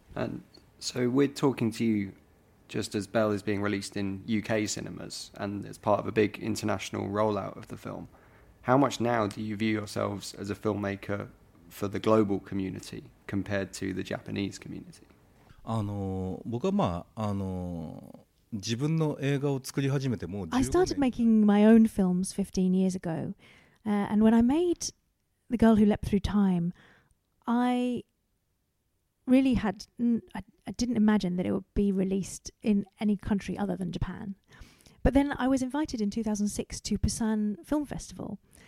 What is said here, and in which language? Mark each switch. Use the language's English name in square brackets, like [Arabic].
[English] And so we're talking to you just as Belle is being released in UK cinemas and it's part of a big international rollout of the film. How much now do you view yourselves as a filmmaker for the global community compared to the Japanese community? [Japanese] 僕はまあ、自分の映画を作り始めてもう15年。 [English] I started making my own films 15 years ago. And when I made The Girl Who Leapt Through Time, I really had... I didn't imagine that it would be released in any country other than Japan. But then I was invited in 2006 to Busan Film Festival.